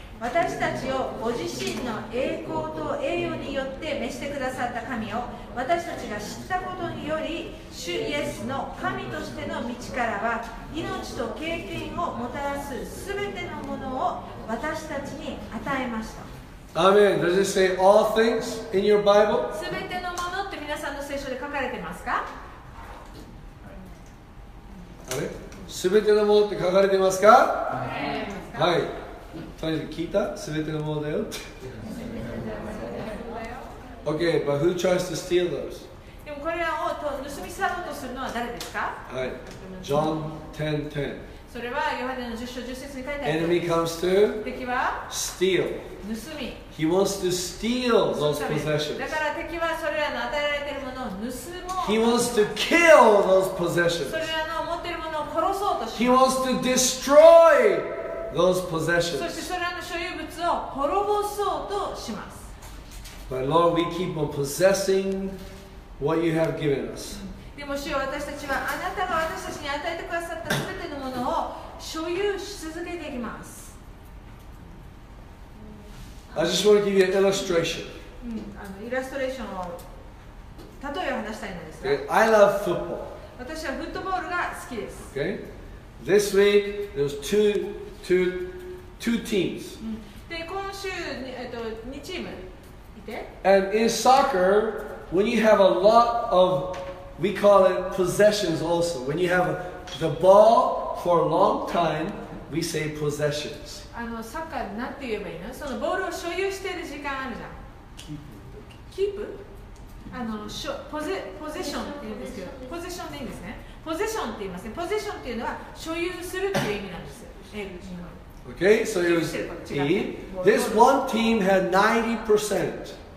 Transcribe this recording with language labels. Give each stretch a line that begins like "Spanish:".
Japanese: 私たちをご自身の栄光と栄誉によって召してくださった神を私たちが知ったことにより主イエスの神としての道からは命と経験をもたらす全てのものを私たちに与えました。アーメン。
English: Does it say all things in your Bible?
Japanese: 全てのものって皆さんの聖書で書かれてますか？あれ、全てのものって書かれてますか？はい、聞いた？すべてのものだよって。
English: OK, but who tries to steal those?
Japanese: でもこれらを盗み去ろうとするのは誰ですか？
English: はい。John 10:10.
Japanese: それはヨハネの10章10節に書いてあります。
English: Enemy comes to?
Japanese: 敵は？
English: Steal.
Japanese: 盗み。
English: He wants to steal those possessions.
Japanese: だから敵はそれらの与えられているものを盗もう。
English: He wants to kill those possessions.
Japanese: それらの持っているものを殺そうと
English: し。He wants to destroy. Those possessions.
Japanese: そしてそれらの所有物を滅ぼそうとします。
English: But Lord, we keep on possessing what you have given us.
Japanese: でも主よ、私たちはあなたが私たちに与えてくださったすべてのものを所有し続けていきます。
English: I just want to give you an illustration.
Japanese: イラストレーションを例えを話したいのですが。
English: Okay. I love football.
Japanese: 私はフットボールが好きです。
English: Okay. This week there's two teams.
Japanese: で今週2チームいて。
English: And in soccer, when you have a lot of, we call it possessions also. When you have the ball for a long time, we say possessions.
Japanese: あのサッカーなんて言えばいいの？そのボールを所有している時間あるじゃん。
English: Keep?
Japanese: あのポゼションって言うんですけど、ポゼションでいいんですね。ポゼションって言いますね。ポゼションっていうのは所有するっていう意味なんですよ。
English: Okay, so it was E. This one team had 90%.